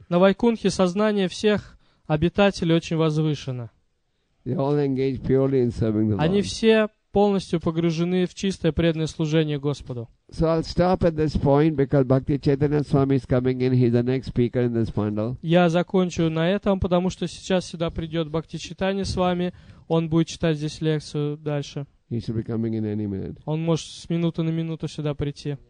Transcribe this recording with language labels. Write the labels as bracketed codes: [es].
[ru] На Вайкунхе сознание всех обитателей очень возвышено. [en] They all engage purely in serving the Lord. [ru] Они все полностью погружены в чистое преданное служение Господу. [en] So I'll stop at this point because Bhakti Chaitanya Swami is coming in. He's the next speaker in this mandal. [ru] Я закончу на этом, потому что сейчас сюда придет Бхакти Чайтанья Свами. Он будет читать здесь лекцию дальше. [en] He should be coming in any minute. [ru] Он может с минуты на минуту сюда прийти.